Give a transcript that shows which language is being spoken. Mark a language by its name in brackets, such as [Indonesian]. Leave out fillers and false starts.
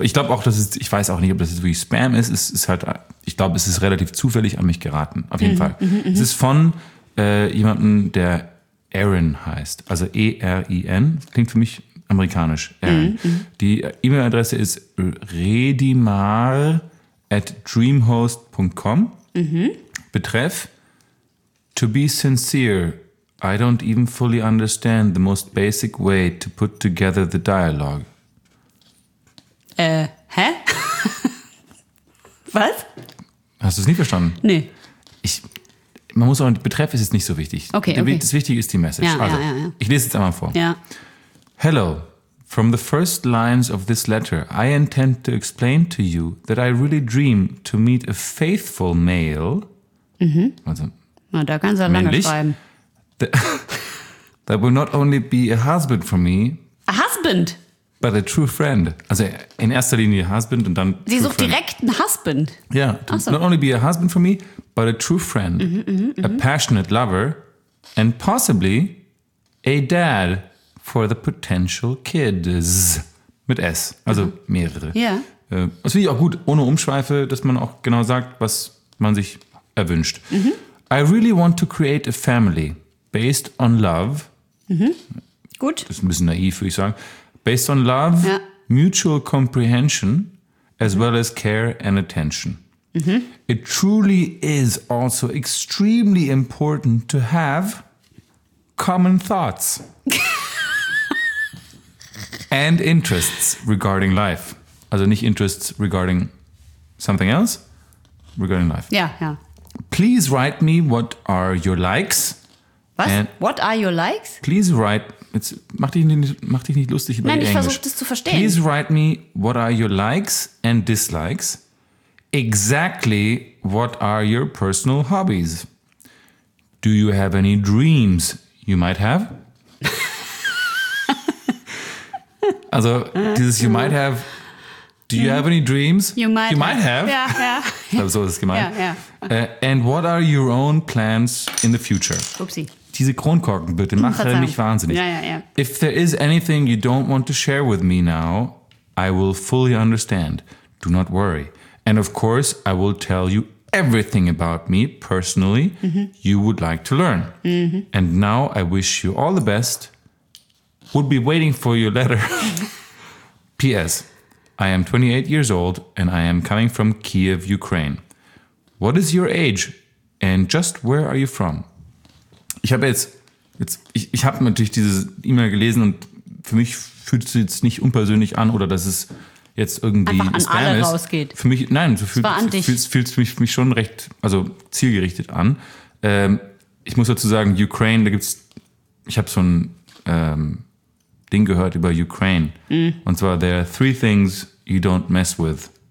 [German] Ich glaube auch, ich weiß auch nicht, ob das jetzt wirklich Spam ist. Es ist halt, ich glaube, es ist relativ zufällig an mich geraten. Auf jeden Fall. Es ist von jemandem, der Erin heißt. Also E-R-I-N. Klingt für mich amerikanisch. Erin. Die E-Mail-Adresse ist redimar@dreamhost.com. [English] Betreff: To be sincere, I don't even fully understand the most basic way to put together the dialogue. [German] Hä? Was? Hast du es nicht verstanden? Nee. Man muss auch, Betreff ist jetzt nicht so wichtig. Okay. Das Wichtige ist die Message. Ja, ich lese jetzt einmal vor. Ja. [English] Hello. From the first lines of this letter, I intend to explain to you that I really dream to meet a faithful male. [German] Also, na, da kann's ja lange schreiben. [English] That will not only be a husband for me. A husband? But a true friend. [German] Also in erster Linie husband und dann. Sie sucht direkt einen Husband. [English] Yeah. So. Not only be a husband for me, but a true friend, a passionate lover, and possibly a dad. For the potential kids. [German] Mit S. Also mehrere. Ja. Das finde ich auch gut, ohne Umschweife, dass man auch genau sagt, was man sich erwünscht. [English] I really want to create a family based on love. [German] Gut. Das ist ein bisschen naiv, würde ich sagen. [English] Based on love, mutual comprehension, as well as care and attention. It truly is also extremely important to have common thoughts. And interests regarding life. [German] Also nicht [English] interests regarding something else, regarding life. [German] Ja, ja. [English] Please write me what are your likes. [German] Was? [English] And what are your likes? Please write, [German] jetzt mach dich nicht lustig über Englisch. Nein, ich versuche das zu verstehen. [English] Please write me what are your likes and dislikes. Exactly what are your personal hobbies. Do you have any dreams you might have? [German] Also dieses [English] you might have, do you have any dreams? You might have. [German] Ja, ja. Ich glaube, so ist es gemeint. Ja, ja. [English] And what are your own plans in the future? [German] Upsi. Diese Kronkorken, bitte, machen mich wahnsinnig. Ja, ja, ja. [English] If there is anything you don't want to share with me now, I will fully understand. Do not worry. And of course, I will tell you everything about me personally you would like to learn. And now I wish you all the best. Would be waiting for your letter. P.S. I am 28 years old and I am coming from Kiev, Ukraine. What is your age and just where are you from? [German] Ich habe ich habe natürlich diese E-Mail gelesen und für mich fühlt es jetzt nicht unpersönlich an oder dass es jetzt irgendwie einfach an Spam alle ist, rausgeht. Für mich, nein, so fühlst du mich schon recht, also zielgerichtet an. Ich muss dazu sagen, Ukraine, da gibt's, ich habe so ein Ding gehört über Ukraine. Mhm. Und zwar, [English] there are three things you don't mess with.